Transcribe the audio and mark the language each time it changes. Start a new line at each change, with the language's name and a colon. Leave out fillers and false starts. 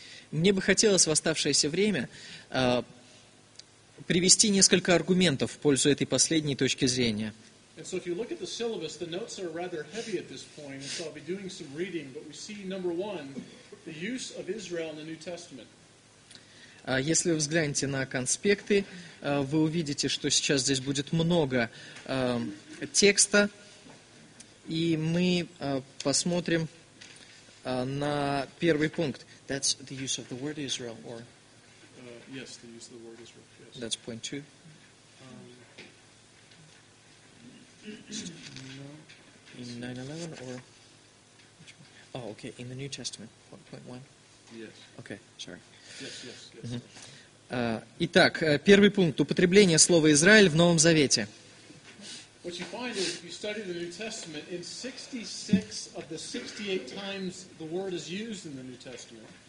Russian: Мне бы хотелось в оставшееся время привести несколько аргументов в пользу этой последней точки зрения.
English: And so if you look at the syllabus, the notes are rather heavy at this point, and so I'll be doing some reading, but we see, number one, the use of Israel in the New Testament.
Russian: Если вы взглянете на конспекты, вы увидите, что сейчас здесь будет много текста, и мы посмотрим на первый пункт.
English: That's the use of the word Israel, or... Yes, the use of the word Israel, yes. That's point two. No. In 9/11 or oh, okay, in the New Testament, point one. Yes. Okay, sorry. Yes, yes, yes.
Russian: Итак, первый пункт употребление слова Израиль в Новом Завете.
English: What you find is, if you study the New Testament, in 66 of the 68 times the word is used in the New Testament.